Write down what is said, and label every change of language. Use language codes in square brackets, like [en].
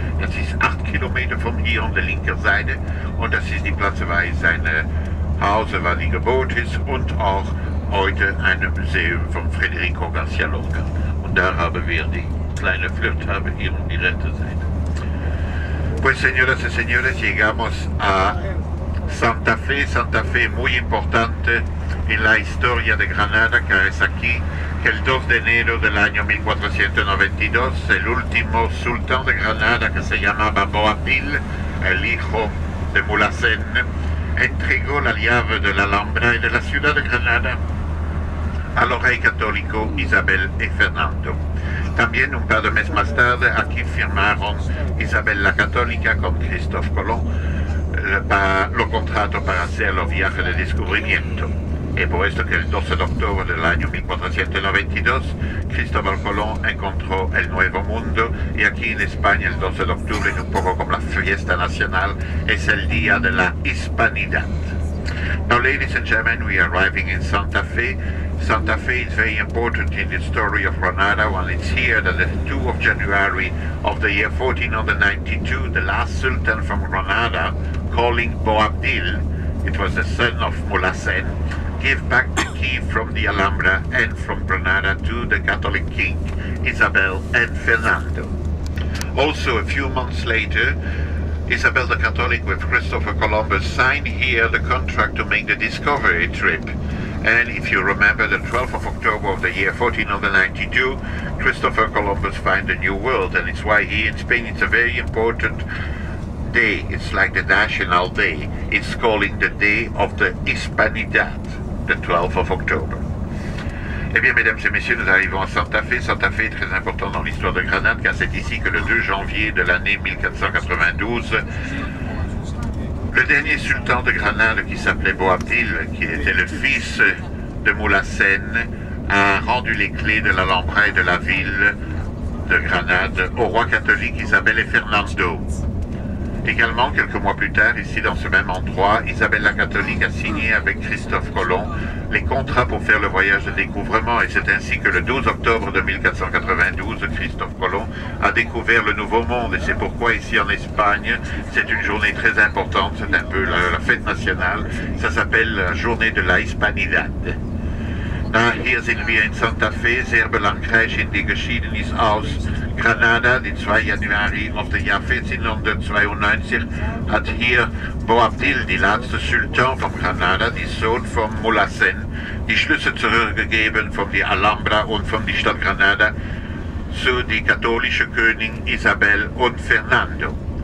[nl] Dat is 8 kilometer van hier aan de linkerzijde, en dat is die plaats waar hij zijn huis, waar hij geboord is, en ook heute een museum van Federico García Lorca. En daar hebben we die kleine vluchthaven hier aan die rechterzijde. [es] Pues, señoras y señores, llegamos a Santa Fe. Santa Fe es muy importante en la historia de Granada, que es aquí, que el 2 de enero del año 1492, el último sultán de Granada, que se llamaba Boabdil, el hijo de Bulacén, entregó la llave de la Alhambra y de la ciudad de Granada al rey católico Isabel y Fernando. También un par de meses más tarde, aquí firmaron Isabel la Católica con Cristóbal Colón lo contrato para hacer los viajes de descubrimiento. Y por esto que el 12 de octubre del año 1492, Cristóbal Colón encontró el Nuevo Mundo, y aquí en España el 12 de octubre, un poco como la fiesta nacional, es el Día de la Hispanidad. [en] Now, ladies and gentlemen, we are arriving in Santa Fe. Santa Fe is very important in the story of Granada. Well, it's here that the 2 of January of the year 1492, the last sultan from Granada, calling Boabdil, it was the son of Bulacén, gave back the key from the Alhambra and from Granada to the Catholic king, Isabel and Fernando. Also, a few months later, Isabel the Catholic with Christopher Columbus signed here the contract to make the discovery trip. And if you remember, the 12th of October of the year 1492, Christopher Columbus found the New World, and it's why here in Spain it's a very important day. It's like the National Day. It's calling the Day of the Hispanidad, the 12th of October. [fr] Eh bien, mesdames et messieurs, nous arrivons à Santa Fe. Santa Fe est très important dans l'histoire de Granada, car c'est ici que le 2 janvier de l'année 1492, le dernier sultan de Granada, qui s'appelait Boabdil, qui était le fils de Bulacén, a rendu les clés de l'Alhambra et de la ville de Granada au roi catholique Isabel et Fernando. Également, quelques mois plus tard, ici dans ce même endroit, Isabelle la Catholique a signé avec Christophe Colomb les contrats pour faire le voyage de découvrement. Et c'est ainsi que le 12 octobre 1492, Christophe Colomb a découvert le Nouveau Monde. Et c'est pourquoi ici en Espagne, c'est une journée très importante, c'est un peu la fête nationale. Ça s'appelle la journée de la Hispanidad. [de] Hier sind wir in Santa Fe, sehr belangreich in die Geschichte aus Granada. Den 2. Januar auf dem Jahr 1492 hat hier Boabdil, der letzte Sultan von Granada, der Sohn von Mulhacén, die Schlüssel zurückgegeben von der Alhambra und von der Stadt Granada zu den katholischen Königen Isabel und Fernando.